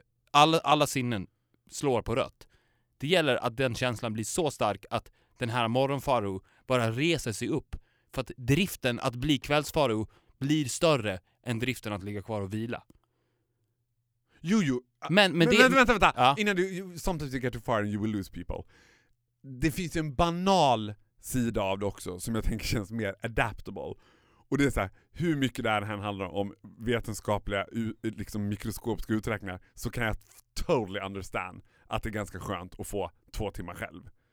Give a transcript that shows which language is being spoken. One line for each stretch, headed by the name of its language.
Swedish: Alla sinnen slår på rött. Det gäller att den känslan blir så stark att den här morgonfaro bara reser sig upp. För att driften att bli kvällsfaro blir större än driften att ligga kvar och vila. Jo. Men vänta. Ja. Innan du,
English: sometimes you get too far and you will lose people.
Swedish: Det finns ju en banal sida av det också som jag tänker känns mer adaptable. Och det är så här, hur mycket det här handlar om vetenskapliga liksom mikroskopiska uträkningar, så kan jag
English: totally understand
Swedish: att det är ganska skönt att få 2 timmar själv.